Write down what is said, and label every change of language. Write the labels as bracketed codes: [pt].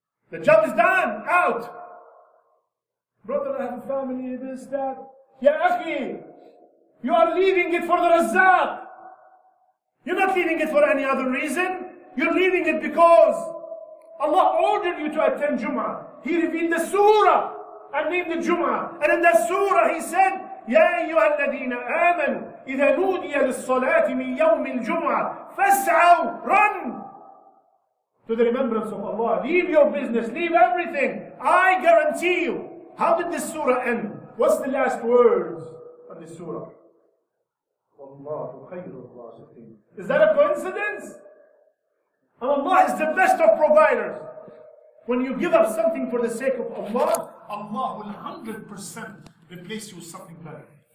[en] The job is done, out. Brother, I have a family, this, that. Ya Akhi, you are leaving it for the Razzaq. You're not leaving it for any other reason. You're leaving it because Allah ordered you to attend Jum'ah. He revealed the surah and named the Jum'ah. And in that surah he said, [ar] يَا أَيُّهَا الَّذِينَ آمَنُوا إِذَا نُودِيَ لِلصَّلَاةِ مِنْ يَوْمِ الْجُمْعَةِ فَاسْعَوْا [en] Run! To the remembrance of Allah. Leave your business, leave everything. I guarantee you. How did this surah end? What's the last words of this surah? [ar] وَاللَّهُ خَيْرُ الرَّازِقِينَ [en] Is that a coincidence? Allah is the best of providers. When you give up something for the sake of Allah, Allah will 100% replace you with something better.